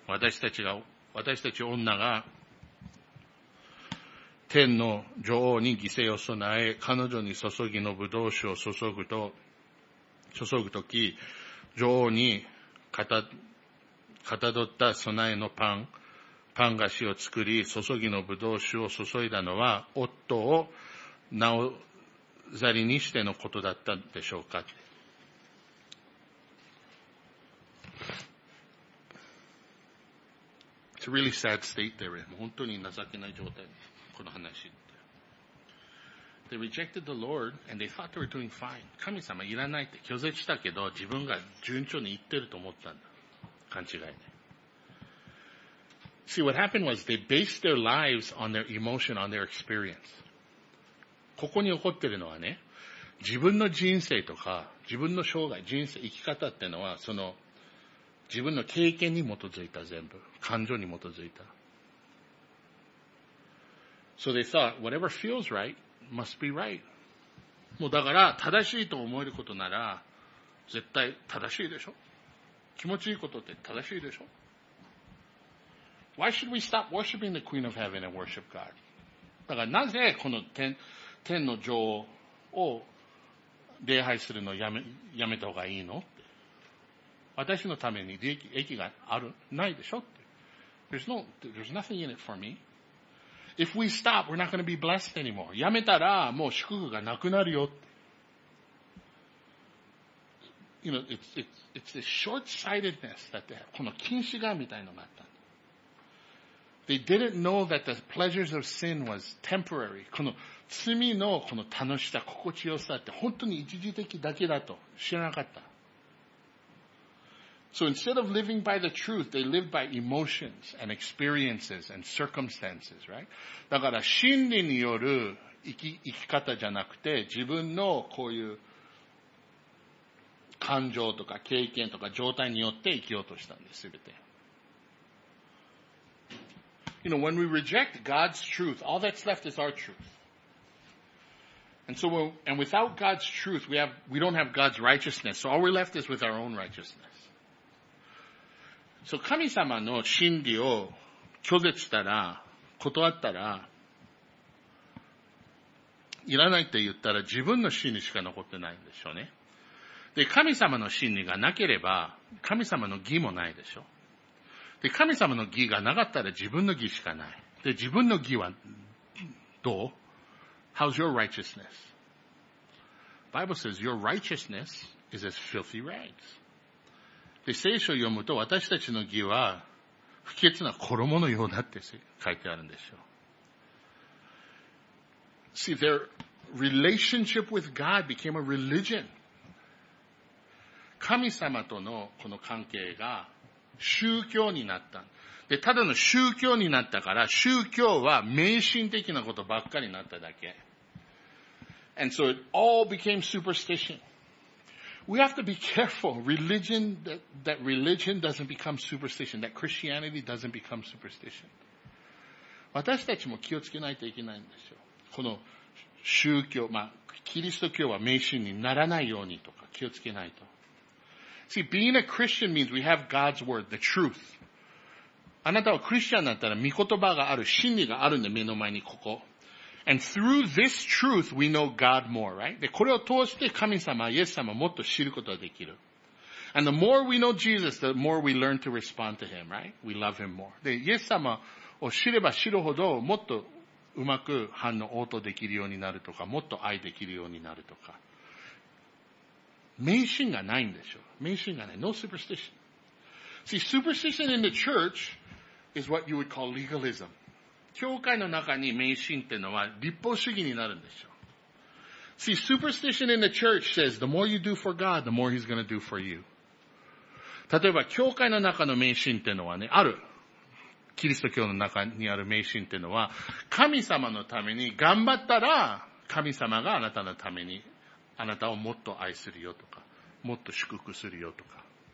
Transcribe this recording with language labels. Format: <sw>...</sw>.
<ja>私たち女が、天の女王に犠牲を備え、彼女に注ぎの葡萄酒を注ぐとき、女王にかたどった備えのパン菓子を作り、注ぎの葡萄酒を注いだのは、夫をなおざりにしてのことだったでしょうか。</ja> <en>It's a really sad state there.</en> <ja>本当に情けない状態この話。</ja> <en>They rejected the Lord and they thought they were doing fine.</en> <ja>神様いらないって拒絶したけど、自分が順調にいってると思ったんだ。勘違いね。</ja> <en>See, what happened was they based their lives on their emotion, on their experience.</en> <ja>ここに起こってるのはね、自分の人生とか、自分の生涯、人生、生き方ってのは、その、自分の経験に基づいた全部。感情に基づいた。</ja> <en>So they thought, whatever feels right, must be right.</en> <ja>もうだから、正しいと思えることなら、絶対正しいでしょ？気持ちいいことって正しいでしょ？</ja> <en>Why should we stop worshiping the Queen of Heaven and worship God?</en> <ja>だからなぜこの 天の女王を礼拝するのをやめた方がいいの？私のために利益、益がある、ないでしょって。</ja> <en>There's nothing in it for me. If we stop, we're not going to be blessed anymore.</en> <ja>やめたらもう祝福がなくなるよって。</ja> <en>You know, it's this short-sightedness that they have.</en> <ja>この近視眼みたいなのがあった。</ja> <en>They didn't know that the pleasures of sin was temporary.</en> <ja>この罪のこの楽しさ、心地よさって本当に一時的だけだと知らなかった。</ja> <en>So instead of living by the truth, they live by emotions and experiences and circumstances, right?</en> <ja>だから真理による生き方じゃなくて、自分のこういう感情とか経験とか状態によって生きようとしたんです、すべて。</ja> <en>You know, when we reject God's truth, all that's left is our truth. And so, and without God's truth, we don't have God's righteousness. So all we're left is with our own righteousness.</en> <ja>So, 神様の真理を拒絶したら、断ったら、いらないって言ったら自分の真理しか残ってないんでしょうね。で、神様の真理がなければ、神様の義もないでしょう。で、神様の義がなかったら自分の義しかない。で、自分の義はどう？</ja> <en>How's your righteousness? Bible says your righteousness is as filthy rags.</en> <ja>で、聖書を読むと私たちの義は不潔な衣のようだって書いてあるんですよ。</ja> <en>See, their relationship with God became a religion.</en> <ja>神様とのこの関係が宗教になった。で、ただの宗教になったから、宗教は迷信的なことばっかりになっただけ。</ja> <en>And so it all became superstition. We have to be careful. Religion, that religion doesn't become superstition. That Christianity doesn't become superstition.</en> <ja>私たちも気をつけないといけないんですよ。この宗教、まあ、キリスト教は迷信にならないようにとか気をつけないと。</ja> <en>See, being a Christian means we have God's word, the truth.</en> <ja>あなたはクリスチャンだったら御言葉がある、真理があるんで目の前にここ。</ja> <en>And through this truth, we know God more, right?</en> <ja>で、これを通して神様、イエス様をもっと知ることができる。</ja> <en>And the more we know Jesus, the more we learn to respond to Him, right? We love Him more.</en> <ja>で、イエス様を知れば知るほどもっとうまく反応応答できるようになるとか、もっと愛できるようになるとか。迷信がないんでしょ。迷信がない。</ja> <en>No superstition. See, superstition in the church is what you would call legalism.</en> <ja>教会の中に迷信ってのは立法主義になるんですよ。</ja> <en>See, superstition in the church says the more you do for God, the more He's going to do for you.</en> <ja>例えば、教会の中の迷信ってのはね、ある。キリスト教の中にある迷信ってのは、神様のために頑張ったら、神様があなたのために、あなたをもっと愛するよとか、もっと祝福するよとか。</ja>